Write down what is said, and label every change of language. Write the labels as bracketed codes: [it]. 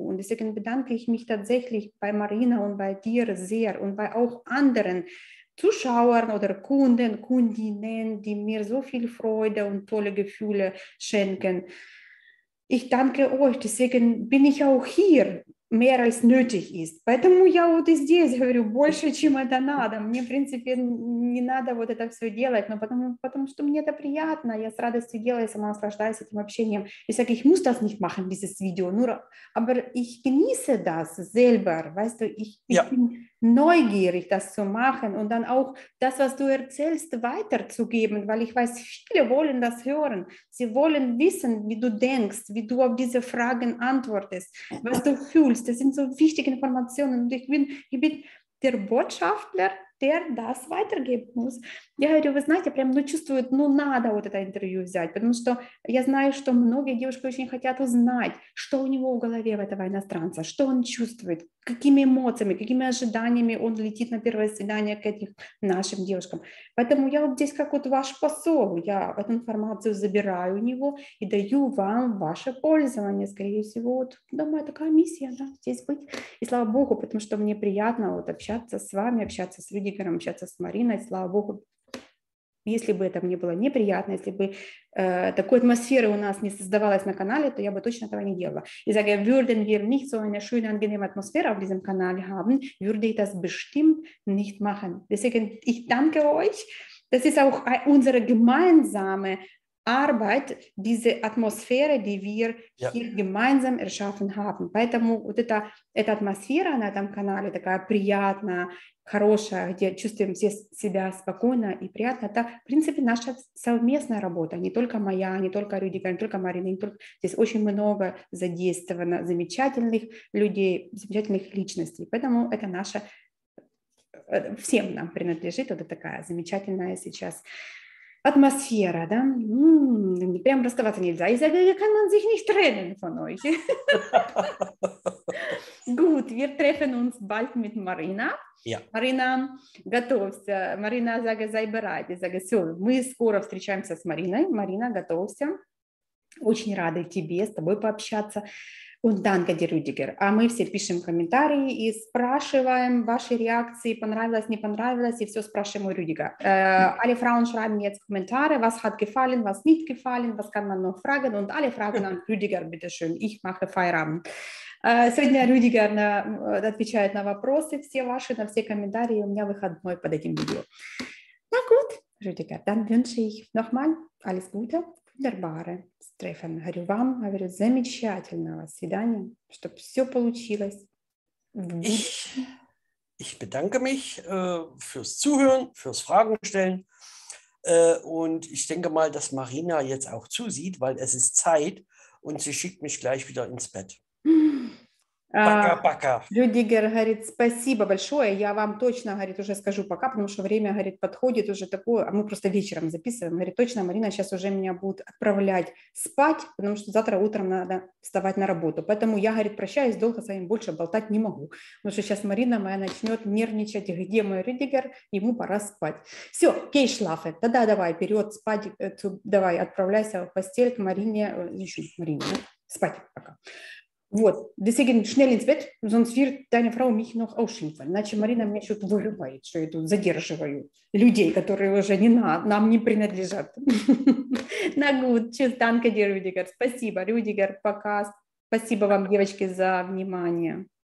[de] Und deswegen bedanke ich mich tatsächlich bei Marina und bei dir sehr und bei auch anderen Zuschauern oder Kunden, Kundinnen, die mir so viel Freude und tolle Gefühle schenken. Ich danke euch, deswegen bin ich auch hier, mehr als nötig ist. [ru] Поэтому я вот здесь говорю, больше, чем это надо. Мне, в принципе, не надо вот это все делать, но потому что мне это приятно. Я с радостью делаю, сама наслаждаюсь этим общением. [de] Ich sage, ich muss das nicht machen, dieses Video. Nur, aber ich genieße das selber, weißt du, ich bin neugierig, das zu machen und dann auch das, was du erzählst, weiterzugeben, weil ich weiß, viele wollen das hören. Sie wollen wissen, wie du denkst, wie du auf diese Fragen antwortest, was du fühlst. Das sind so wichtige Informationen und ich bin der Botschafter, der das weitergeben muss. [ru] Я говорю, вы знаете, прям, ну, чувствует, ну, надо вот это интервью взять, потому что я знаю, что многие девушки очень хотят узнать, что у него в голове, этого иностранца, что он чувствует, какими эмоциями, какими ожиданиями он летит на первое свидание к этим нашим девушкам. Поэтому я вот здесь как вот ваш посол, я эту информацию забираю у него и даю вам ваше пользование, скорее всего, вот, думаю, такая миссия, да, здесь быть. И слава Богу, потому что мне приятно вот общаться с вами, общаться с Рюдигером, общаться с Мариной, слава Богу. Если бы это мне было неприятно, если бы такой атмосферы у нас не создавалось на канале, то я бы точно этого не делала. [de] Ich sage, würden wir nicht so eine schöne, angenehme Atmosphäre auf diesem Kanal haben, würde ich das bestimmt nicht machen. Deswegen, ich danke euch. Das ist auch unsere gemeinsame Arbeit, diese Atmosphäre, die wir hier gemeinsam erschaffen haben. [ru] Поэтому вот эта атмосфера на этом канале такая приятная, хорошая, где чувствуем все себя спокойно и приятно. Это, в принципе, наша совместная работа, не только моя, не только Рюдика, не только Марина, не только... Здесь очень много задействовано замечательных людей, замечательных личностей. Поэтому это наше... Всем нам принадлежит вот такая замечательная сейчас атмосфера, да? Прям расставаться нельзя. Я говорю, как [de] man sich nicht trennen von euch? Gut, wir treffen uns bald mit Marina. Ja. [ru] Marina, готовься. [de] Marina, sage, sei bereit. Ich sage, so, [ru] мы скоро встречаемся с Мариной. Marina, готовься. Очень рада тебе, с тобой пообщаться. [de] Und danke dir, Rüdiger. [ru] А мы все пишем комментарии и спрашиваем ваши реакции, понравилось, не понравилось, и все спрашиваем у Рюдига. [de] Alle Frauen schreiben jetzt Kommentare, was hat gefallen, was nicht gefallen, was kann man noch fragen, und alle Fragen an Rüdiger, bitteschön, ich mache Feierabend. [ru] Сегодня Рюдигер отвечает на вопросы все ваши, на все комментарии, у меня выходной под этим видео. [de] Na gut, Rüdiger, dann wünsche ich nochmal alles Gute, wunderbare. [ru] Стефан, говорю вам, говорю, замечательного свидания, чтобы все получилось. [de] Ich bedanke mich fürs Zuhören, fürs Fragen stellen. Und ich denke mal, dass Marina jetzt auch zusieht, weil es ist Zeit und sie schickt mich gleich wieder ins Bett. [ru] Пока-пока. Рюдигер говорит, спасибо большое. Я вам точно, говорит, уже скажу пока, потому что время, говорит, подходит уже такое. А мы просто вечером записываем. Говорит, точно, Марина сейчас уже меня будет отправлять спать, потому что завтра утром надо вставать на работу. Поэтому я, говорит, прощаюсь, долго с вами больше болтать не могу. Потому что сейчас Марина моя начнет нервничать. Где мой Рюдигер? Ему пора спать. Все, [de] кейшлафе. [ru] Да-да, давай, вперед, спать. Давай, отправляйся в постель к Марине. Еще Марине. Спать пока. Вот, [de] deswegen schnell ins Bett, sonst wird deine Frau mich noch ausschimpfen. [ru] Значит, Марина меня что-то вырывает, что я тут задерживаю людей, которые уже не на, нам не принадлежат. [de] На гуд, tschüss, danke dir, Рюдигер. [ru] Спасибо, Рюдигер, пока. Спасибо вам, девочки, за внимание.